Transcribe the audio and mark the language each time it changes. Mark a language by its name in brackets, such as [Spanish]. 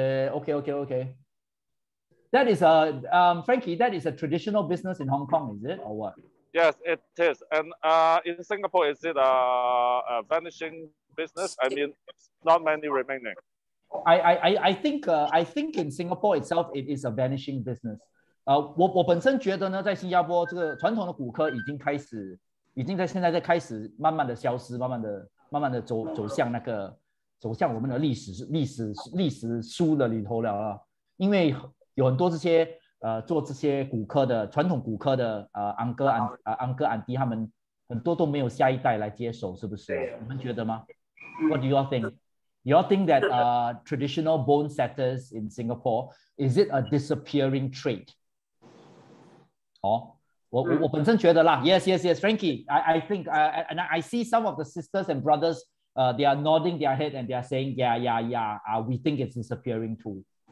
[English] OK that is a Frankie, that is a traditional business in Hong Kong, is it or what? Yes, it is. And in Singapore, is it a vanishing business? I mean, not many remaining. I think in Singapore itself, it is a vanishing business. [Chinese] 我本身觉得呢，在新加坡这个传统的骨科已经在开始慢慢的消失，慢慢的走向我们的历史书的里头了啊。因为有很多这些做这些骨科的传统骨科的安哥安迪他们很多都没有下一代来接手，是不是？你们觉得吗 [English] ？What do you all think? You all think that traditional bone setters in Singapore is it a disappearing trait? [Chinese] 我本身觉得啦 [English] ，yes, Frankie, I think, and I see some of the sisters and brothers, they are nodding their head and they are saying, yeah, we think it's disappearing too.